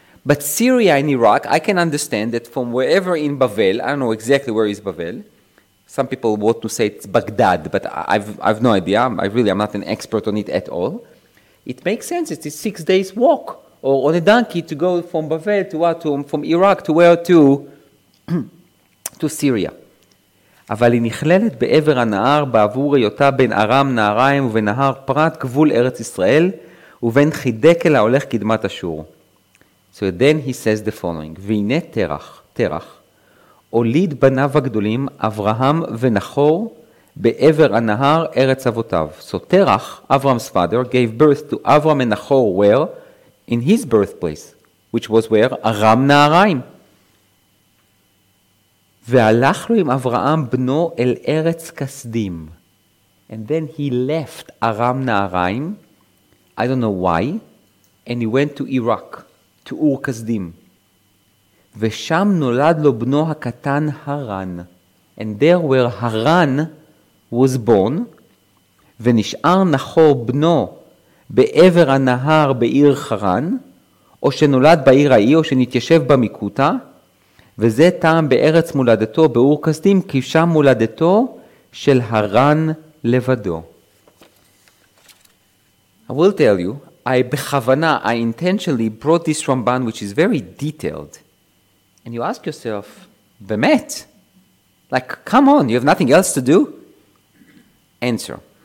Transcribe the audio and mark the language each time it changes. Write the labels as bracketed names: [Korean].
[English] But Syria and Iraq, I can understand that from wherever in Babel, I don't know exactly where is Babel. Some people want to say it's Baghdad, but I've no idea. I'm not an expert on it at all. It makes sense. It's a 6 days walk or on a donkey to go from Babel to what? From Iraq to where? To to Syria. [Hebrew] אבל היא נכללת בעבר הנהר בעבור היותה בין ארם נהריים ובנהר פרט גבול ארץ ישראל ובין חידקל ההולך קדמת אשור. [English] So then he says the following. [Hebrew] והנה תרח, הוליד בניו הגדולים אברהם ונחור בעבר הנהר ארץ אבותיו. [English] So תרח, Avram's father, gave birth to Avram and Nahor where? In his birthplace, which was where? [Hebrew] ארם נהריים. והלך לו עם אברהם בנו אל ארץ כסדים. [English] And then he left Aram Naharaim, I don't know why, and he went to Iraq, to Ur Kasdim. [Hebrew] ושם נולד לו בנו הקטן הרן. [English] And there where הרן was born, [Hebrew] ונשאר נחור בנו בעבר הנהר בעיר חרן, או שנולד בעיר ההיא, או שנתיישב במקוטה, וזה טעם בארץ מולדתו, באור כסדים, כי שם מולדתו של הרן לבדו. [English] I will tell you, I intentionally brought this Ramban, which is very detailed. And you ask yourself, באמת? Like, come on, you have nothing else to do? Answer.